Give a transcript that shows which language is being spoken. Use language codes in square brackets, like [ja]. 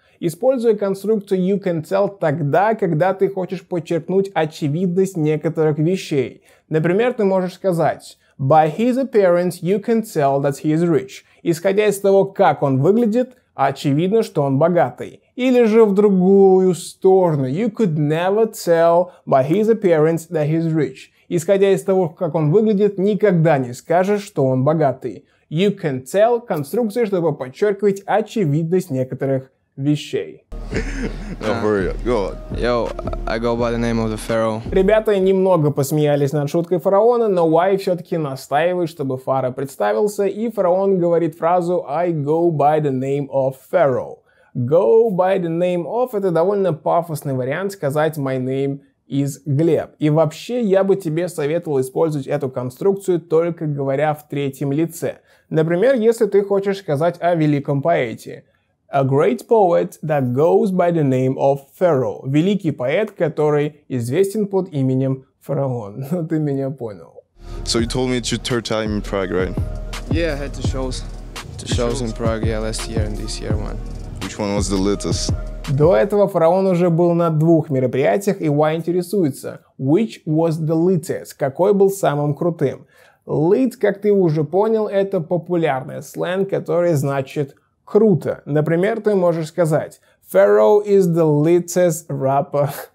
[ru] Используя конструкцию [en] you can tell [ru] тогда, когда ты хочешь подчеркнуть очевидность некоторых вещей. Например, ты можешь сказать, [en] by his appearance you can tell that he is rich. [ru] Исходя из того, как он выглядит, очевидно, что он богатый. Или же в другую сторону. [en] You could never tell by his appearance that he's rich. [ru] Исходя из того, как он выглядит, никогда не скажешь, что он богатый. [en] You can tell [ru] – конструкция, чтобы подчеркивать очевидность некоторых вещей. [en] Don't worry, go on. Yo, I go by the name of the Pharaoh. [ru] Ребята немного посмеялись над шуткой Фараона, но Y все-таки настаивает, чтобы Фара представился, и Фараон говорит фразу [en] I go by the name of Pharaoh. Go by the name of [ru] – это довольно пафосный вариант сказать [en] my name is [ru] Глеб. И вообще, я бы тебе советовал использовать эту конструкцию, только говоря в третьем лице. Например, если ты хочешь сказать о великом поэте. [en] A great poet that goes by the name of Pharaoh. [ru] Великий поэт, который известен под именем Фараон. Ну, ты меня понял. [en] So you told me it's your third time in Prague, right? Yeah, I had two shows in Prague, yeah, last year and this year one. Which one was the latest? [ru] До этого Фараон уже был на двух мероприятиях, и Y интересуется. [en] Which was the latest? [ru] Какой был самым крутым? Lit, как ты уже понял, это популярный сленг, который значит круто. Например, ты можешь сказать [en] Pharaoh is the latest rapper.